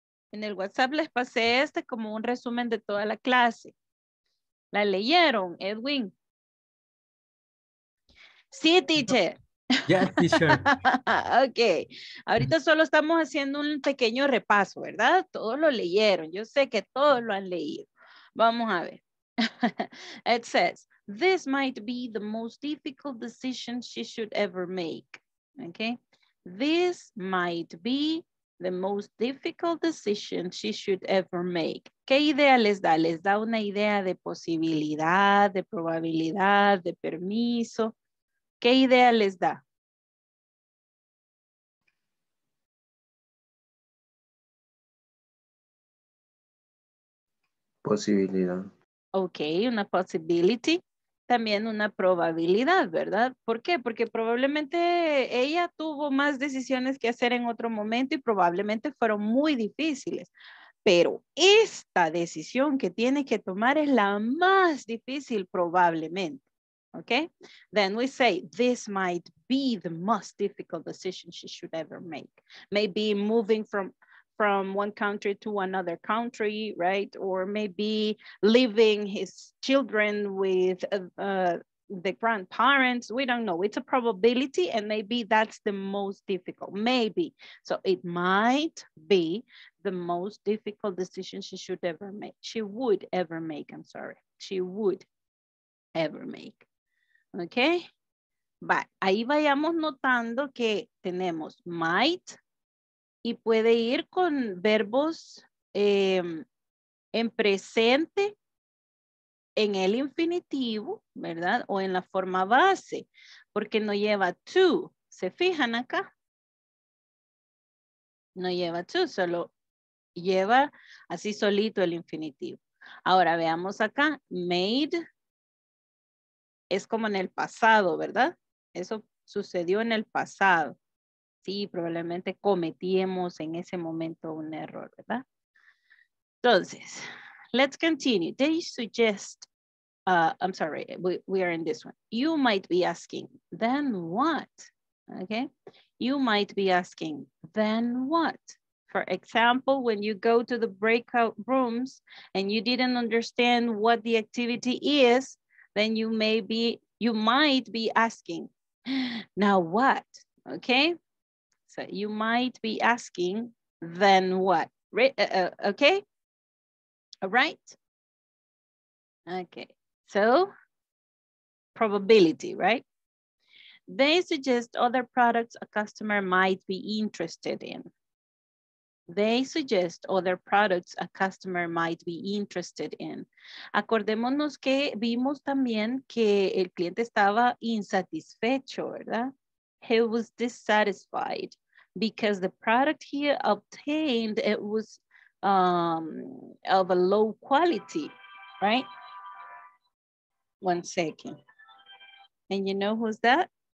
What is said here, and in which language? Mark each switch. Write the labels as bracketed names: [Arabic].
[Spanish] En el WhatsApp les pasé este como un resumen de toda la clase. ¿La leyeron, Edwin? Sí, teacher. [English] Yeah, sure. [Spanish] Okay, ahorita solo estamos haciendo un pequeño repaso, ¿verdad? Todos lo leyeron, yo sé que todos lo han leído. Vamos a ver. [English] It says, this might be the most difficult decision she should ever make. Okay, this might be the most difficult decision she should ever make. [Spanish] ¿Qué idea les da? Les da una idea de posibilidad, de probabilidad, de permiso. ¿Qué idea les da? Posibilidad. Ok, una possibility. También una probabilidad, ¿verdad? ¿Por qué? Porque probablemente ella tuvo más decisiones que hacer en otro momento y probablemente fueron muy difíciles. Pero esta decisión que tiene que tomar es la más difícil probablemente. [English] Okay, then we say this might be the most difficult decision she should ever make. Maybe moving from one country to another country, right? Or maybe leaving his children with the grandparents. We don't know. It's a probability, and maybe that's the most difficult. Maybe. So it might be the most difficult decision she should ever make. She would ever make, I'm sorry. She would ever make. [Spanish] Ok, va, ahí vayamos notando que tenemos might y puede ir con verbos en presente, en el infinitivo, ¿verdad? O en la forma base, porque no lleva to, ¿se fijan acá? No lleva to, solo lleva así solito el infinitivo. Ahora veamos acá, made. Es como en el pasado, ¿verdad? Eso sucedió en el pasado. Sí, probablemente cometimos en ese momento un error, ¿verdad? Entonces, [English] let's continue. They suggest, I'm sorry, we are in this one. You might be asking, then what? Okay. You might be asking, then what? For example, when you go to the breakout rooms and you didn't understand what the activity is, then you might be asking, now what? Okay, so you might be asking, then what? Okay, all right? Okay, so probability, right? They suggest other products a customer might be interested in. They suggest other products a customer might be interested in. [Spanish] Acordémonos que vimos también que el cliente estaba insatisfecho, ¿verdad? [English] He was dissatisfied because the product he obtained, it was of a low quality, right? One second. And you know who's that?